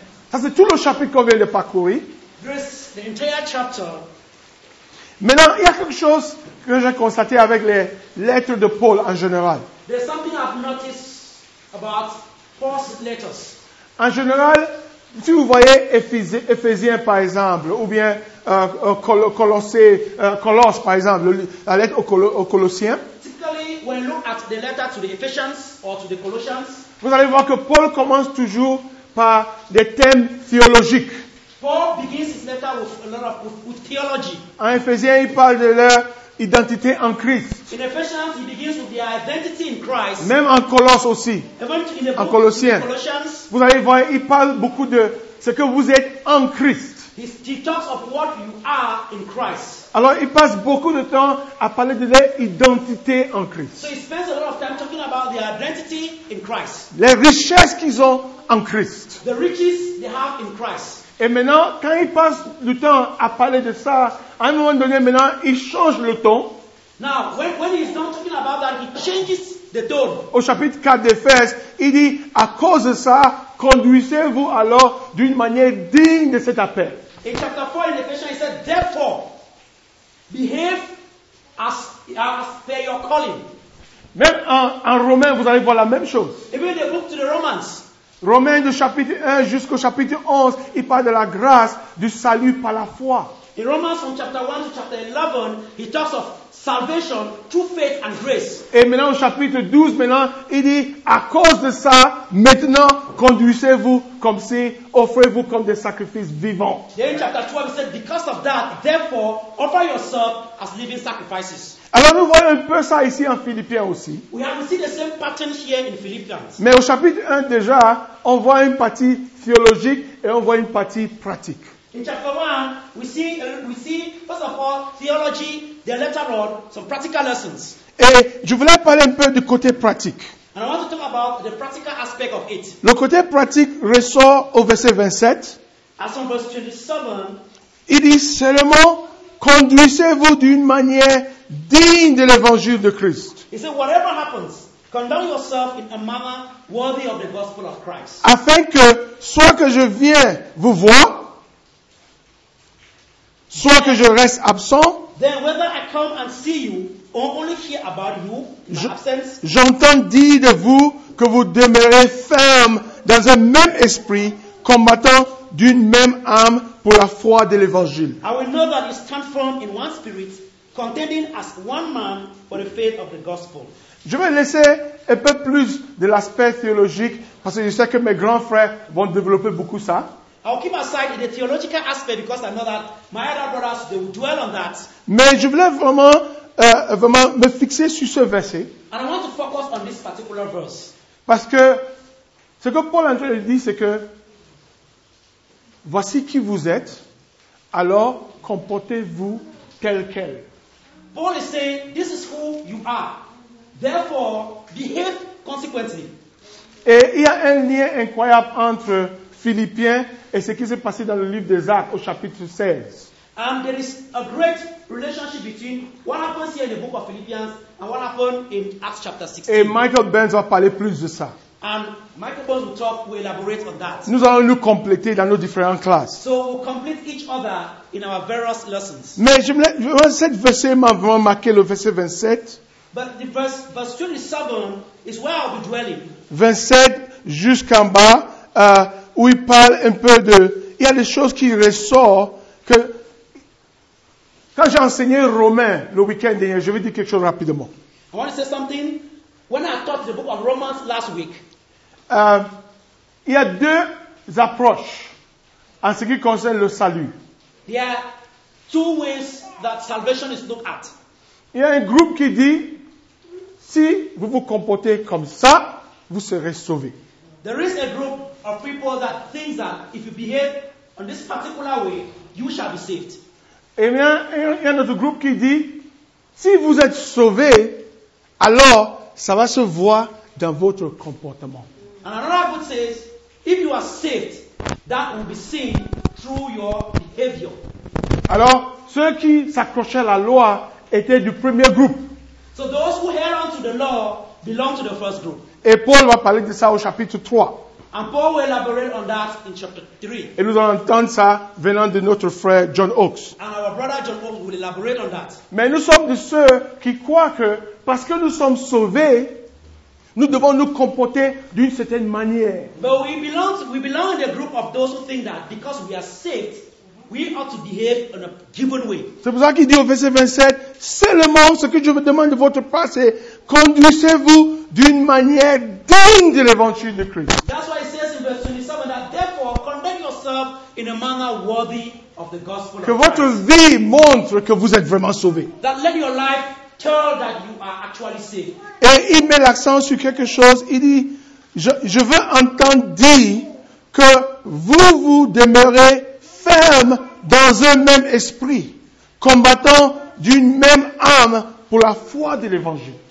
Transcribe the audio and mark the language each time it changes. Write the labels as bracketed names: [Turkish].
[French] Ça, c'est tout le chapitre qu'on vient de parcourir. Maintenant, il y a quelque chose que j'ai constaté avec les lettres de Paul en général. [English] There's something I've noticed about Paul's letters. [French] En général, si vous voyez Éphésiens par exemple, ou bien Colosse par exemple, la lettre aux Colossiens. [English] Typically, when look at the letter to the Ephesians or to the Colossians, [French] vous allez voir que Paul commence toujours par des thèmes théologiques. [English] Paul begins his letter with theology. [French] En Éphésiens, il parle de leur identité en Christ. [English] In Ephesians, he begins with their identity in Christ. [French] Même en Colosse aussi. [English] Even in the [French] en Colossiens. [English] In Colossians, [French] vous allez voir, il parle beaucoup de ce que vous êtes en Christ. [English] He talks of what you are in Christ. [French] Alors, il passe beaucoup de temps à parler de leur identité en Christ. [English] So he spends a lot of time talking about their identity in Christ. [French] Les richesses qu'ils ont en Christ. [English] The riches they have in Christ. [French] Et maintenant, quand il passe du temps à parler de ça, à un moment donné, maintenant, il change le ton. [English] Now, when he's not talking about that, he changes the tone. [French] Au chapitre 4 d'Éphèse, il dit, à cause de ça, conduisez-vous alors d'une manière digne de cet appel. [English] In chapter 4 in Ephesians, he said, therefore, behave as per your calling. [French] Même en Romain, vous allez voir la même chose. [English] Even the book to the Romans. [French] Romains du chapitre 1 jusqu'au chapitre 11, il parle de la grâce du salut par la foi. [English] In Romans from chapter 1 to chapter 11, he talks of salvation through faith and grace. [French] Et maintenant au chapitre 12, maintenant, il dit à cause de ça, maintenant conduisez-vous comme si offrez-vous comme des sacrifices vivants. [English] Then in chapter 12, he said because of that, therefore offer yourself as living sacrifices. [French] Alors nous voyons un peu ça ici en Philippiens aussi. [English] We have seen the same pattern here in Philippians. [French] Mais au chapitre 1 déjà, on voit une partie théologique et on voit une partie pratique. [English] In chapter 1, we see first of all theology, the letter of some practical lessons. [French] Et je voulais parler un peu du côté pratique. [English] And I want to talk about the practical aspect of it. [French] Le côté pratique ressort au verset 27. [English] As on verse 27, [French] il dit seulement conduisez-vous d'une manière digne de l'évangile de Christ. [English] He said, whatever happens, conduct yourself in a manner worthy of the gospel of Christ. [French] Afin que, soit que je viens vous voir, soit [English] then, [French] que je reste absent, [English] then whether I come and see you, or only hear about you, in my absence, [French] j'entends dire de vous que vous demeurez ferme dans un même esprit, combattant d'une même âme pour la foi de l'évangile. [English] I will know that you stand firm in one spirit, contending as one man for the faith of the gospel. [French] Je vais laisser un peu plus de l'aspect théologique parce que je sais que mes grands frères vont développer beaucoup ça. [English] I'll keep aside the theological aspect because I know that my other brothers they will dwell on that. [French] Mais je voulais vraiment me fixer sur ce verset. [English] And I want to focus on this particular verse. [French] Parce que ce que Paul est en train de dire, c'est que voici qui vous êtes, alors comportez-vous tel quel. [English] Paul is saying, this is who you are. Therefore, behave consequently. [French] Et il y a un lien incroyable entre Philippiens et ce qui s'est passé dans le livre des Actes au chapitre 16. [English] And there is a great relationship between what happens here in the book of Philippians and what happened in Acts chapter 16. [French] Et Michael Burns va parler plus de ça. [English] And Michael Bones will talk, we'll elaborate on that. [French] Nous allons nous compléter dans nos différentes classes. [English] So we'll complete each other in our various lessons. [French] Mais je cette verset m'a vraiment marqué, le verset 27. [English] But the verse 27 is where I'll be dwelling. [French] 27 jusqu'en bas, où il parle un peu de... Il y a des choses qui ressortent que... Quand j'ai enseigné Romain le week-end dernier, je vais dire quelque chose rapidement. [English] I want to say something. When I taught the book of Romans last week, [French] il y a deux approches en ce qui concerne le salut. [English] There are two ways that salvation is looked at. [French] Il y a un groupe qui dit, si vous vous comportez comme ça, vous serez sauvé. [English] There is a group of people that thinks that if you behave in this particular way, you shall be saved. [French] Et bien, il y a un autre groupe qui dit, si vous êtes sauvé, alors ça va se voir dans votre comportement. [English] And another group says, if you are saved, that will be seen through your behavior. [French] Alors, ceux qui s'accrochaient à la loi étaient du premier groupe. [English] So those who held on to the law belong to the first group. [French] Et Paul va parler de ça au chapitre 3. [English] And Paul will elaborate on that in chapter 3. [French] Et nous allons entendre ça venant de notre frère John Oakes. [English] And our brother John Oakes will elaborate on that. [French] Mais nous sommes de ceux qui croient que parce que nous sommes sauvés, nous devons nous comporter d'une certaine manière. [English] But we belong in the group of those who think that because we are saved, we ought to behave in a given way. [French] C'est pour ça qu'il dit au verset 27, seulement ce que je vous demande de votre part, c'est conduisez-vous d'une manière digne de l'évangile de Christ. [English] That's why it says in verse 27 that therefore conduct yourself in a manner worthy of the gospel of Christ. [French] Que votre vie montre que vous êtes vraiment sauvé. [English] That let your life tell that you are actually saved. [French] Et il met l'accent sur quelque chose. Il dit, je veux entendre dire que vous demeurez ferme dans un même esprit, combattant d'une même âme pour la foi de l'évangile.